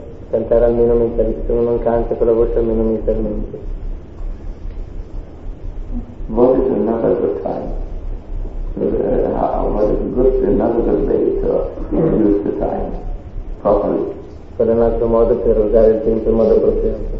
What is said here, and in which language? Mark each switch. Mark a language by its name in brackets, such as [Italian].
[Italian] Cantare almeno mentalmente, se uno non canta con la voce almeno mentalmente. [English] What is another good time? What is good another good way to use the time properly? [Italian] Qual è un altro modo per usare il tempo in modo appropriato?